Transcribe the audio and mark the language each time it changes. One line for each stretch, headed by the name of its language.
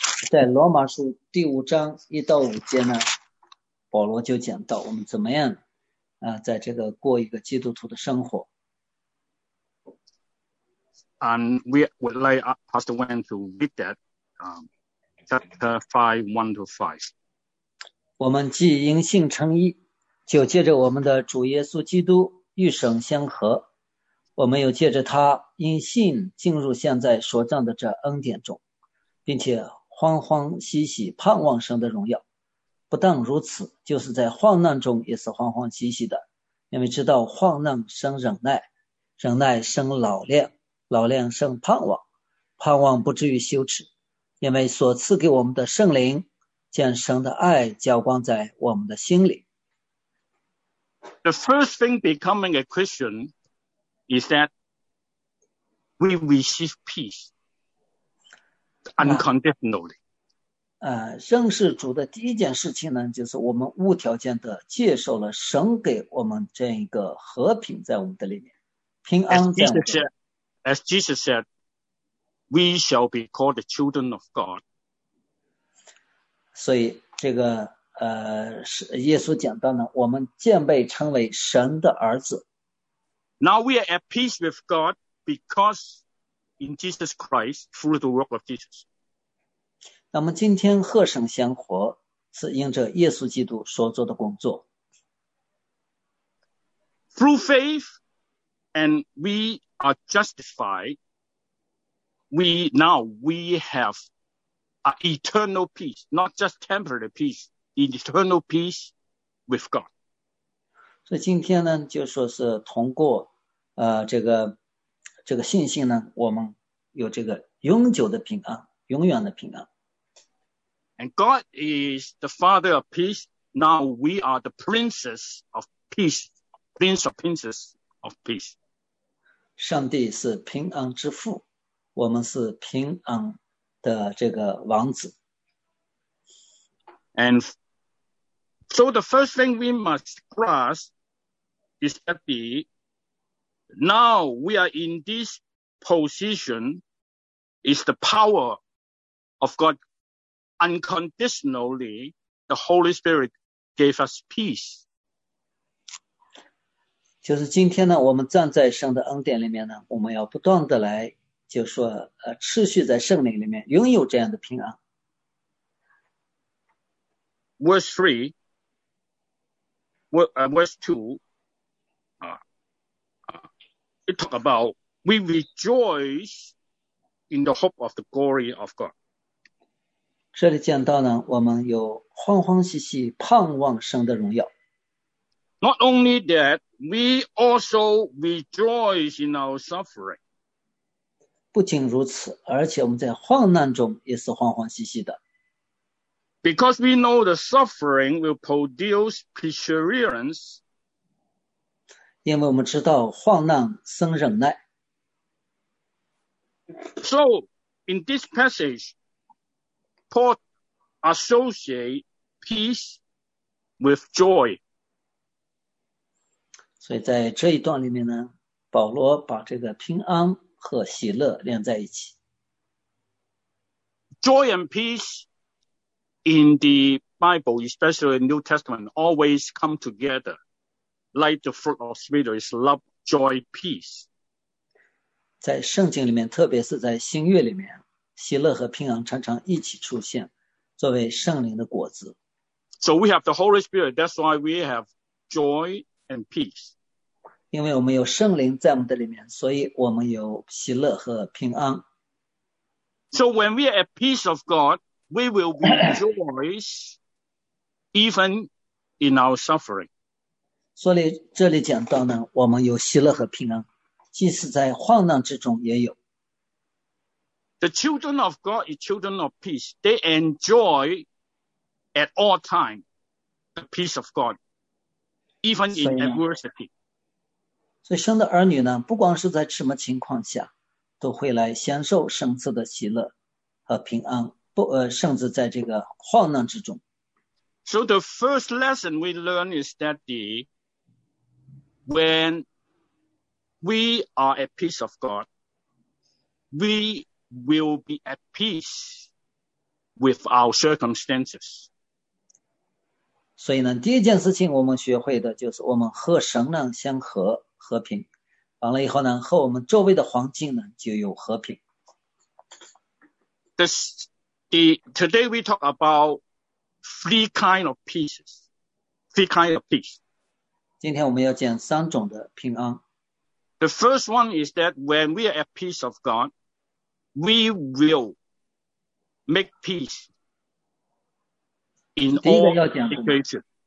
Chinese: 在罗马书第五章一到五节呢，保罗就讲到我们怎么样在这个过一个基督徒的生活。
English: And we would like Pastor Wen to read that, chapter 5:1-5.
Chinese: 我们既因信称义，就借着我们的主耶稣基督与神相合，我们又借着他因信进入现在所占的这恩典中，并且欢欢喜喜盼望神的荣耀。不但如此，就是在患难中也是欢欢喜喜的，因为知道患难生忍耐，忍耐生老练，老练生盼望，盼望不至于羞耻，因为所赐给我们的圣灵将神的爱浇灌在我们的心里。
English: The first thing becoming a Christian is that we receive peace unconditionally.
Chinese: 认识主的第一件事情呢，就是我们无条件的接受了神给我们这样一个和平在我们的里面，平安在我们的里面。
English: As Jesus said, we shall be called the children of God.
Chinese: 所以这个耶稣讲到呢，我们渐被称为神的儿子。
English: Now we are at peace with God because in Jesus Christ through the work of Jesus.
Chinese: 那么今天和神相合，是因着耶稣基督所做的工作。
English: Through faith And we are justified. We now, we have eternal peace, not just temporary peace, eternal peace with God.
Chinese: 所以今天呢，就说是通过这个信心呢，我们有这个永久的平安，永远的平安。
English: And God is the Father of peace. Now we are the princes of peace, prince or princess of peace.
Chinese: 上帝是平安之父，我们是平安的这个王子。
English: And so the first thing we must grasp. Is that the, now we are in this position is the power of God unconditionally the Holy Spirit gave us peace.
Chinese: 就是今天呢我们站在神的恩典里面呢我们要不断的来就说持续在圣灵里面拥有这样的平安。
English: Verse 2,We talk about we rejoice in the hope of the glory of God.
Chinese: 这里讲到呢，我们有欢欢喜喜盼望神的荣耀。
English: Not only that, we also rejoice in our suffering.
Chinese: 不仅如此，而且我们在患难中也是欢欢喜喜的。
English: Because we know the suffering will produce perseverance.
Chinese: 因为我们知道患难生忍耐。
English: So, in this passage, Paul associates peace with joy.
Chinese: 所以在这一段里面呢，保罗把这个平安和喜乐连在一起。
English: Joy and peace in the Bible, especially New Testament, always come together. Like the fruit of spirit is love, joy, peace.
Chinese: 在圣经里面，特别是在新约里面，喜乐和平安常常一起出现，作为圣灵的果子。
English: So we have the Holy Spirit. That's why we have joy and peace.
Chinese: 因为我们有圣灵在我们的里面，所以我们有喜乐和平安。
English: So when we are at peace of God, we will rejoice even in our suffering.
Chinese: 所以这里讲到呢，我们有喜乐和平安，即使在患难之中也有。
English: The children of God is children of peace. They enjoy at all time the peace of God, even in adversity.
Chinese: 所以生的儿女呢，不光是在什么情况下，都会来享受圣赐的喜乐和平安，甚至在这个患难之中。
English: So the first lesson we learn is that the,When we are at peace of God, we will be at peace with our circumstances.
Chinese: 所以呢，第一件事情我们学会的就是我们和神呢相合和平。完了以后呢，和我们周围的环境呢就有和平。
English: Today we talk about three kind of pieces, three kind of peace.
Chinese: 今天我们要讲三种的平安。
English: The first one is that when we are at peace of God, we will make peace in all situations.